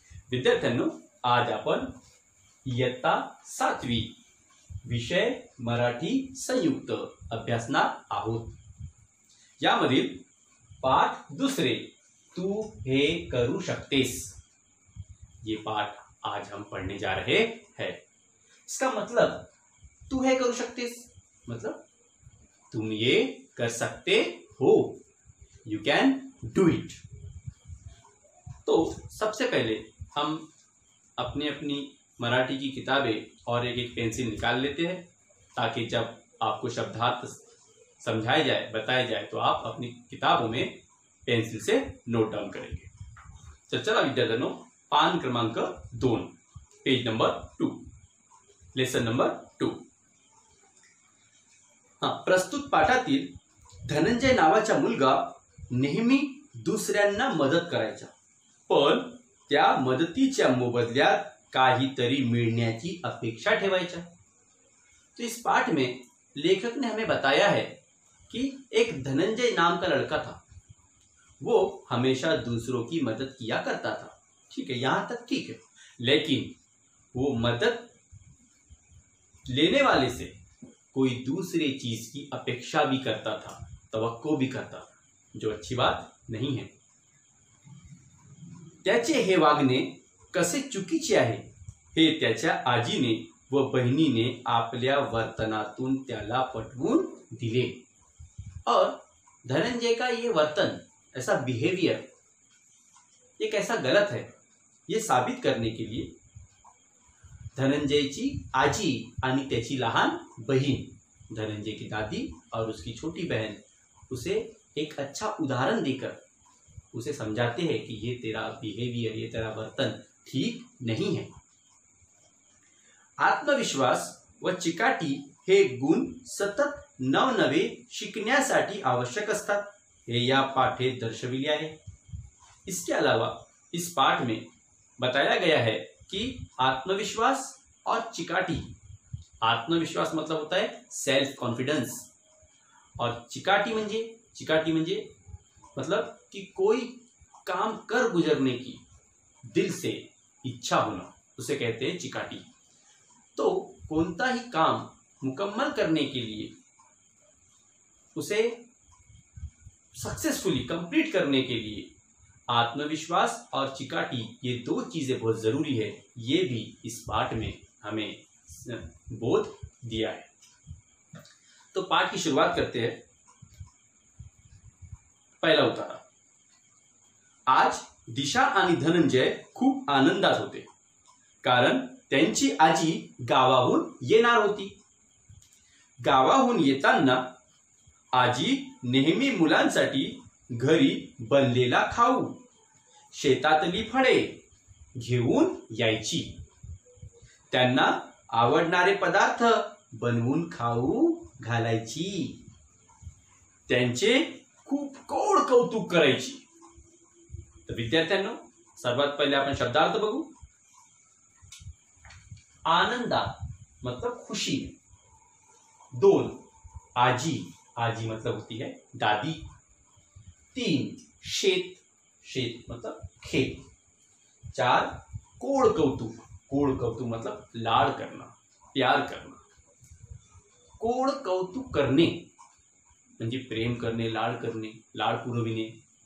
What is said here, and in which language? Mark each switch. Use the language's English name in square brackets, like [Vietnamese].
[Marathi] विद्यार्थ्यांनो, आज आपण इयत्ता सातवी विषय मराठी संयुक्त अभ्यासणार आहोत. यामधील पाठ दुसरे तू हे करू शकतेस, [Hindi] ये पाठ आज हम पढ़ने जा रहे हैं. इसका मतलब तू है करू शक्तिस, मतलब तुम ये कर सकते हो, [English] You can do it. [Hindi] तो सबसे पहले हम अपने अपनी मराठी की किताबें और एक एक पेंसिल निकाल लेते हैं, ताकि जब आपको शब्दार्थ समझाया जाए बताया जाए तो आप अपनी किताबों में पेंसिल से नोट डाउन करेंगे. [Marathi] तो चला विद्यार्थियों, पान क्रमांक दोन, [English] Page number two, lesson number two. [Marathi] हाँ, प्रस्तुत पाठातील धनंजय नावाचा मुलगा नेहमी दुसऱ्यांना मदत करायचा, पण त्या मदतीच्या मोबदल्यात काहीतरी मिळण्याची अपेक्षा ठेवायचा. [Hindi] तो इस पाठ में लेखक ने हमें बताया है कि एक धनंजय नाम का लड़का था, वो हमेशा दूसरों की मदद किया करता था. ठीक है, यहां तक ठीक है, लेकिन वो मदद लेने वाले से कोई दूसरे चीज की अपेक्षा भी करता था, तवक्को भी करता, जो अच्छी बात नहीं है. [Marathi] त्याचे हे वागणे कसे चुकीचे आहे, हे त्याच्या आजीने व बहिणीने आपल्या वर्तनातून त्याला पटवून दिले. [Hindi] और धनंजय का ये वर्तन, ऐसा बिहेवियर, ये कैसा गलत है, ये साबित करने के लिए [Marathi] धनंजयची आजी आणि त्याची लहान बहीण, [Hindi] धनंजय की दादी और उसकी छोटी बहन, उसे एक अच्छा उदाहरण देकर उसे समझाते हैं कि ये तेरा बिहेवियर, ये तेरा वर्तन ठीक नहीं है. [Marathi] आत्मविश्वास व चिकाटी हे गुण सतत नवनवे शिकण्यासाठी आवश्यक असतात, हे या पाठे दर्शविले आहे. [Hindi] इसके अलावा इस पाठ में बताया गया है कि आत्मविश्वास और चिकाटी, आत्मविश्वास मतलब होता है सेल्फ कॉन्फिडेंस, और चिकाटी मंजे मतलब कि कोई काम कर गुजरने की दिल से इच्छा होना, उसे कहते हैं चिकाटी. तो कौनता ही काम मुकम्मल करने के लिए, उसे सक्सेसफुली कंप्लीट करने के लिए आत्मविश्वास और चिकाटी, ये दो चीजें बहुत जरूरी है, ये भी इस पाठ में हमें बोध दिया है. तो पाठ की शुरुआत करते हैं. पहला उतारा, [Marathi] आज दिशा आणि धनंजय खूप आनंदात होते, कारण त्यांची आजी गावाहून येणार होती. गावाहून येताना आजी नेहमी मुलांसाठी घरी बनलेला खाऊ, शेतातली फळे घेऊन यायची, त्यांना आवडणारे पदार्थ बनवून खाऊ घालायची, त्यांचे खूप गोड कौतुक करायची. तर विद्यार्थ्यांनो, सर्वात पहिले आपण शब्दार्थ बघू. [Hindi] आनंदा मतलब खुशी, दोन आजी, आजी मतलब होती है दादी, तीन शेत, शेत मतलब खेत, चार कोड कौतुक, कोड कौतुक मतलब लाड़ करना, प्यार करना, कोड कौतुक करने म्हणजे प्रेम करने, लाड़ करने, लाड़ पुरविणे.